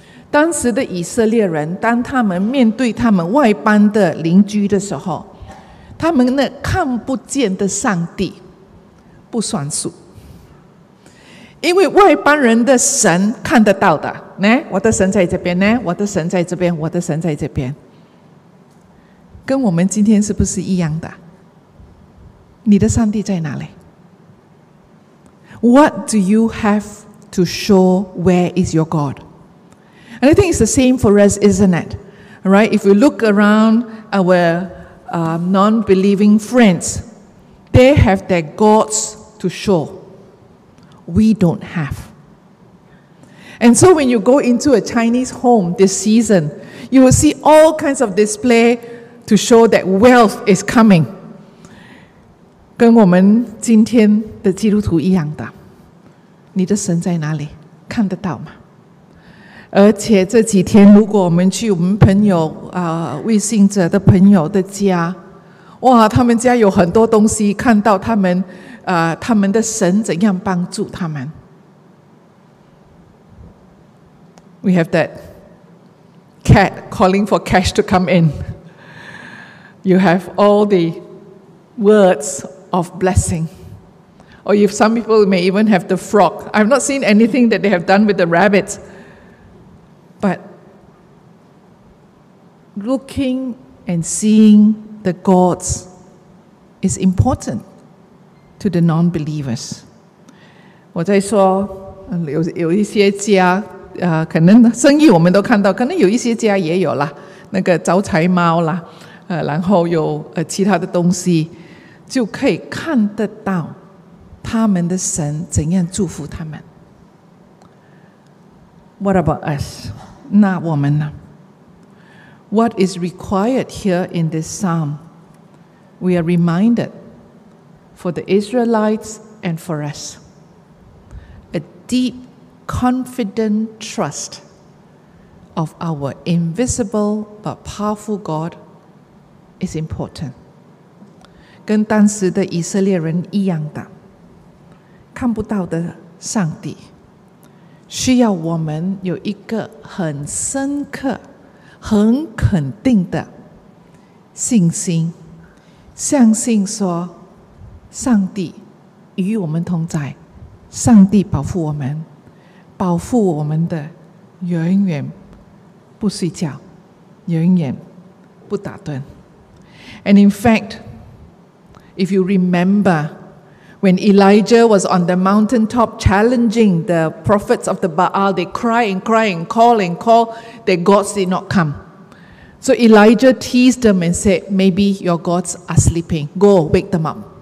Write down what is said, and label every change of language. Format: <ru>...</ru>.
<zh>当时的以色列人，当他们面对他们外邦的邻居的时候，他们那看不见的上帝不算数，因为外邦人的神看得到的。来，我的神在这边呢，我的神在这边，我的神在这边，跟我们今天是不是一样的？你的上帝在哪里？</zh> <en>What do you have to show where is your God? And I think it's the same for us, isn't it? Right? If we look around our non-believing friends, they have their gods to show. We don't have. And so when you go into a Chinese home this season, you will see all kinds of display to show that wealth is coming.</en> <zh>跟我们今天的基督徒一样的，你的神在哪里？看得到吗？而且这几天，如果我们去我们朋友未信者的朋友的家，哇，他们家有很多东西，看到他们他们的神怎样帮助他们。</zh> <en>We have that cat calling for cash to come in. You have all the words. Of blessing, or if some people may even have the frog. I've not seen anything that they have done with the rabbits, but looking and seeing the gods is important to the non-believers.</en> <zh>我在说有一些家可能生意我们都看到，可能有一些家也有啦，那个招财猫啦，然后有其他的东西。就可以看得到他们的神怎样祝福他们。</zh> <en>What about us?</en> <zh>那我们呢？</zh> <en>What is required here in this psalm? We are reminded for the Israelites and for us. A deep, confident trust of our invisible but powerful God is important.</en> <zh>跟当时的以色列人一样的，看不到的上帝，需要我们有一个很深刻、很肯定的信心，相信说上帝与我们同在，上帝保护我们，保护我们的永远不睡觉，永远不打盹。</zh> <en>And in fact,If you remember, when Elijah was on the mountaintop challenging the prophets of the Baal, they cried and cried and called and called, their gods did not come. So Elijah teased them and said, maybe your gods are sleeping. Go, wake them up.</en>